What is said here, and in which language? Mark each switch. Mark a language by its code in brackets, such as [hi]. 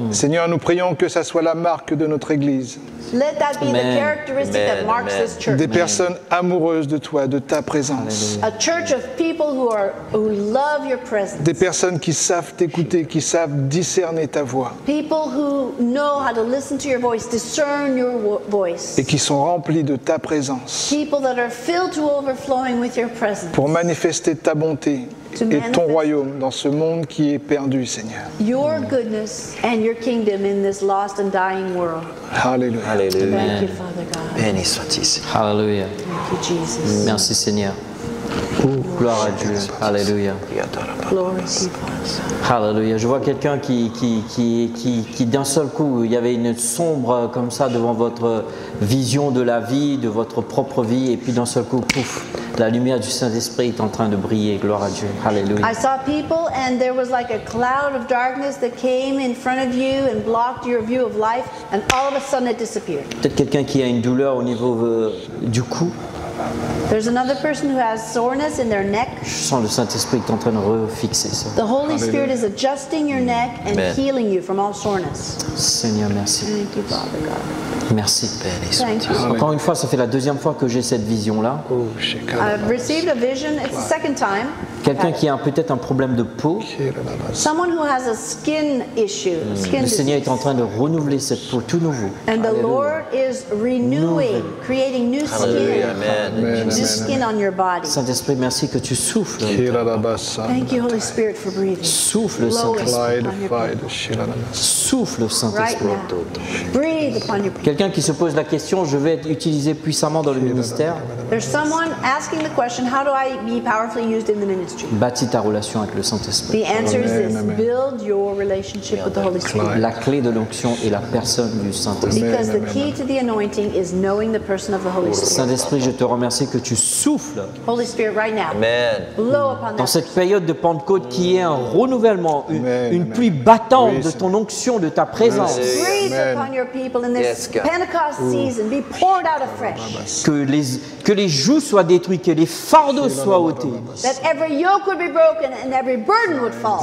[fr] Seigneur, nous prions que ça soit la marque de notre Église. [en] Let that be the characteristic that marks this church. [fr] Des personnes amoureuses de toi, de ta présence. [en] A church of people who love your presence. [fr] Des personnes qui savent t'écouter, qui savent discerner ta voix. [en] People who know how to listen to your voice, discern your voice. [fr] Et qui sont remplies de ta présence. [en] People that are filled to overflowing with your presence. [fr] Pour manifester ta bonté et ton royaume dans ce monde qui est perdu, Seigneur. [en] Your goodness and your kingdom in this lost and dying world. Hallelujah. Hallelujah. Thank you, Father God. [fr] Béni sois-tu, Seigneur. Hallelujah. [en] Thank you, Jesus. [fr] Merci, Seigneur. Gloire à Dieu. Hallelujah. [en] Glory to God. Hallelujah. [fr] Je vois quelqu'un qui d'un seul coup, il y avait une sombre comme ça devant votre vision de la vie, de votre propre vie, et puis d'un seul coup, pouf. La lumière du Saint-Esprit est en train de briller. Gloire à Dieu. Hallelujah. [en] I saw people and there was like a cloud of darkness that came in front of you and blocked your view of life and all of a sudden it disappeared. [fr] Peut-être quelqu'un qui a une douleur au niveau du cou. [en] There's another person who has soreness in their neck. [fr] Je sens le Saint-Esprit qui est en train de refixer ça. [en] The Holy Hallelujah. Spirit is adjusting your neck and healing you from all soreness. [fr] Seigneur, merci. [en] Thank you, Father God. [fr] Merci. [en] Thank you. [fr] Encore une fois, ça fait la deuxième fois que j'ai cette vision-là. [en] I've received a vision. It's the second time. [fr] Quelqu'un qui a peut-être un problème de peau. [en] Someone who has a skin issue. Skin [fr] le Seigneur est en train de renouveler cette peau tout nouveau. [en] And the Lord is renewing, creating new skin. Amen. Skin on your body. [fr] Saint-Esprit, merci que tu souffles. [en] Thank you, Holy Spirit, for breathing. [fr] Souffle, Saint-Esprit. Souffle, Saint-Esprit. [en] Right now. Breathe upon your. [fr] Quelqu'un qui se pose la question, je vais être utilisé puissamment dans le ministère. [en] There's someone asking the question, how do I be powerfully used in the ministry? [fr] Bâtis ta relation avec le Saint-Esprit. [en] The answer is this, build your relationship with the Holy Spirit. [fr] La clé de l'onction est la personne du Saint-Esprit. [en] Because the key to the anointing is knowing the person of the Holy Spirit. [fr] Saint-Esprit, je te remercie que tu souffles. [en] Holy Spirit, right now. Amen. Blow upon that. [fr] Dans cette période de Pentecôte qui est un renouvellement, une pluie battante de ton onction, de ta présence. [en] Breathe upon your people in this. Pentecost season, be poured out afresh. [fr] Que les joues soient détruites, que les fardeaux soient ôtés. [en] That every yoke would be broken and every burden would fall.